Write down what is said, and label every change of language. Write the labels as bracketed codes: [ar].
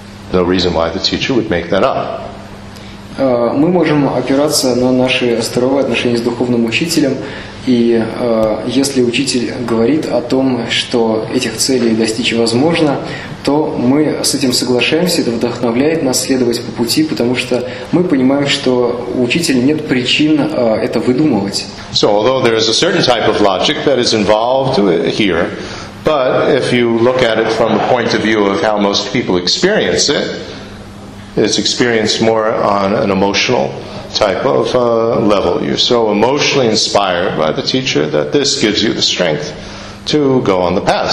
[en] No reason why the teacher would make that up. [ru] Мы можем опираться на наши здоровые отношения с духовным учителем, и если учитель говорит о том, что этих целей достичь возможно, то мы с этим соглашаемся, это вдохновляет нас следовать по пути, потому что мы понимаем, что у учителя нет причин это выдумывать. [en] So, although there is a certain type of logic that is involved here, but if you look at it from the point of view of how most people experience it, it's experienced more on an emotional type of level. You're so emotionally inspired by the teacher that this gives you the strength to go on the path.